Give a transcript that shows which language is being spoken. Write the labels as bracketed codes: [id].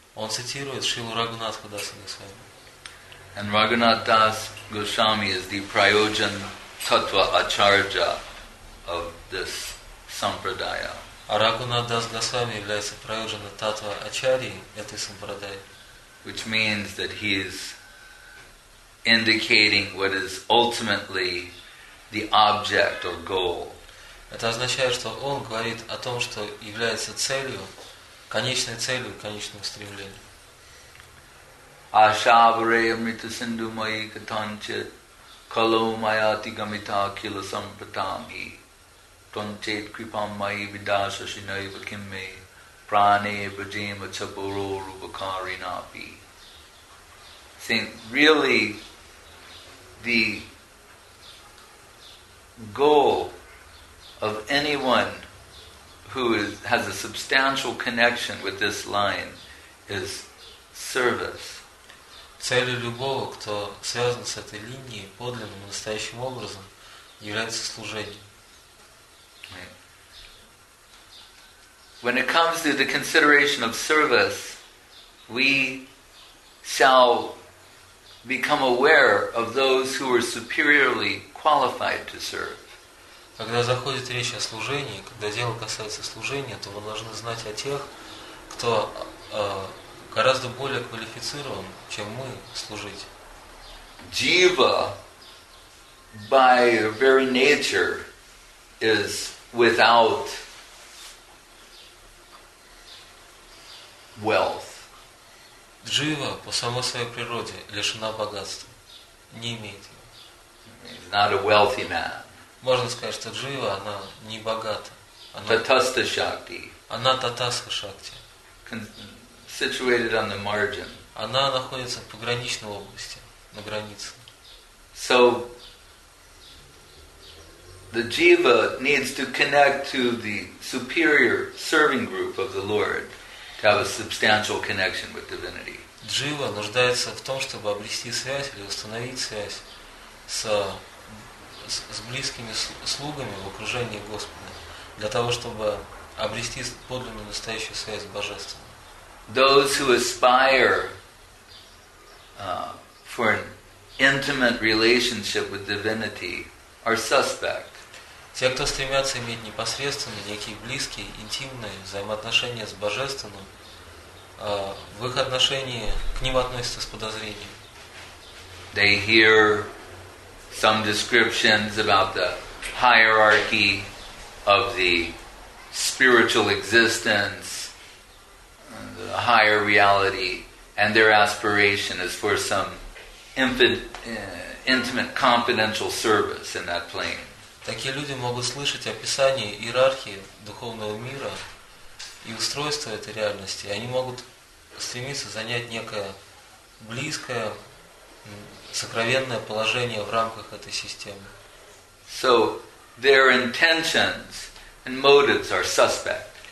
[ru] Он цитирует Шрилу Рагхунатха Даса Госвами. [en] And Raghunath Das Goswami is the Prayojan Tattva Acharya of this Sampradaya. [ru] А Рагхунатх Дас Госвами является Прайоджана Таттва Ачарьи этой Сампрадаи. [en] Which means that he is indicating what is ultimately the object or goal. [ru] Это означает, что он говорит о том, что является целью, конечной целью, конечным стремлением. [sa] Ашаваре амрита синду майи катанчит кало майати гамита кила сампратамхи тончет крипам майи видаса синай вакимме пране вадима чабуро рубакари напи. [en] Think really the goal of anyone who is, has a substantial connection with this line is service. [ru] Целью любого, кто связан с этой линией подлинным, настоящим образом, является служение. [en] When it comes to the consideration of service, we shall become aware of those who are superiorly qualified to serve. [ru] Когда заходит речь о служении, когда дело касается служения, то мы должны знать о тех, кто гораздо более квалифицирован, чем мы, служить. [en] Jiva, by very nature, is without wealth. [ru] Jiva, по самой своей природе, лишена богатства, не имеет его. [en] He's not a wealthy man. [ru] Можно сказать, что джива, она не богата. [sa] Татаста шакти. [ru] Она татаста шакти. [en] Situated on the margin. [ru] Она находится в пограничной области, на границе. [en] So, the jiva needs to connect to the superior serving group of the Lord to have a substantial connection with divinity. [ru] Джива нуждается в том, чтобы обрести связь или установить связь с близкими слугами в окружении Господа, для того, чтобы обрести подлинную настоящую связь с Божеством. [en] Those who aspire for an intimate relationship with divinity are suspect. [ru] Те, кто стремятся иметь непосредственные, некие близкие, интимные взаимоотношения с Божественным, в их отношении к ним относятся с подозрением. [en] They hear some descriptions about the hierarchy of the spiritual existence, the higher reality, and their aspiration is for some intimate, confidential service in that plane. [ru] Такие люди могут слышать описание иерархии духовного мира и устройства этой реальности. Они могут стремиться занять некое близкое сокровенное положение в рамках этой системы. [en] So their intentions and motives are suspect.